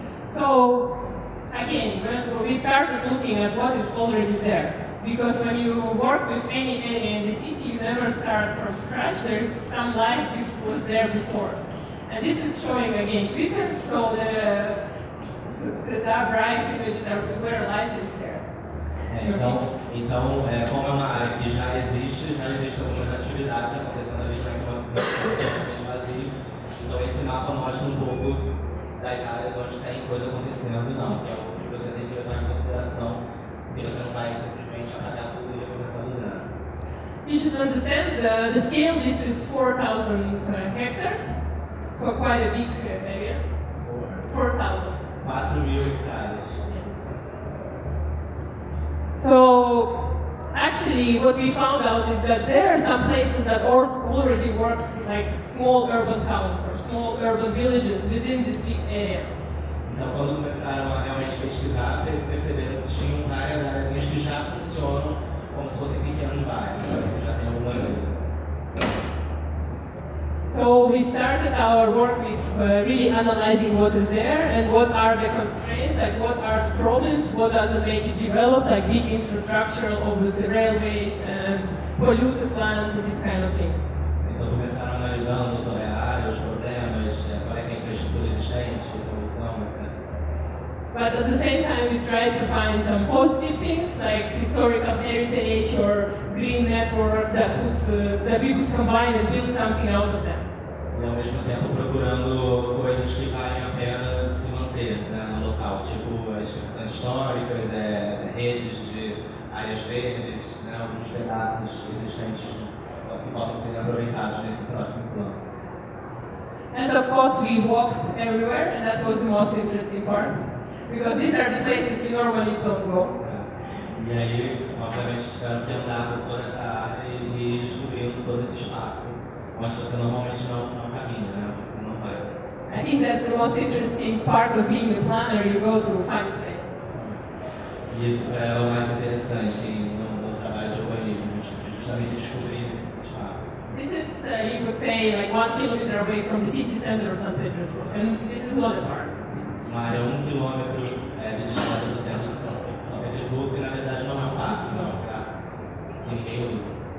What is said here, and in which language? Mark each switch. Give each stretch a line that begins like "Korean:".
English: So, again, when we started looking at what is already there, because when you work with any area in the city, you never start from scratch. There is some life that was there before. And this is showing again Twitter, so the dark bright images are where life is there.
Portuguese: Então, como é uma área que já existe algumas atividades acontecendo ali, então esse mapa mostra um pouco das áreas onde tem coisa acontecendo, não, que é o que você tem que levar em consideração, que você não vai simplesmente apagar tudo e começar a mudar.
English: You should understand the scale, this is 4,000 hectares, so quite a big area. 4,000. 4,000 hectares. So, actually, what we found out is that there are some places that already work like small urban towns or small urban villages within this big area.
Portuguese: Então, quando começaram a realmente pesquisar, perceberam que tinham várias áreas que já funcionam como se fossem pequenos bairros, que já tem alguma ideia.
English: So we started our work with really analyzing what is there and what are the constraints, like what are the problems, what doesn't make it develop, like big infrastructural, obviously railways and polluted land, these kind of things.
Portuguese: Então começaram analisando a área, os problemas, qual é a infraestrutura existente, a poluição, etc.
English: But at the same time we tried to find some positive things like historical heritage or green networks that could that we could combine and build something out of them.
Portuguese: E ao mesmo tempo procurando coisas que valem a pena se manter, né, no local, tipo as instituições históricas, redes de áreas verdes, né, alguns pedaços existentes que possam ser aproveitados nesse próximo plano.
English: And of course we walked everywhere and that was the most interesting part. Because these are the places you normally don't go.
Portuguese: E aí, obviamente, tiveram que andar por toda essa área e descobrindo todo esse espaço. Mas você normalmente não caminha, né? Você não vai.
English: I think that's the most interesting part of being a planner, you go to find places.
Portuguese: E isso é o mais interessante no trabalho de urbanismo, justamente descobrir esse espaço.
English: This is, you could say, like 1 kilometer away from the city center of St. Petersburg. And this is not a park.
Portuguese: Uma área 1 quilômetro de distância do centro de São Petersburgo, que na verdade não é um parque, não é um lugar que ninguém usa.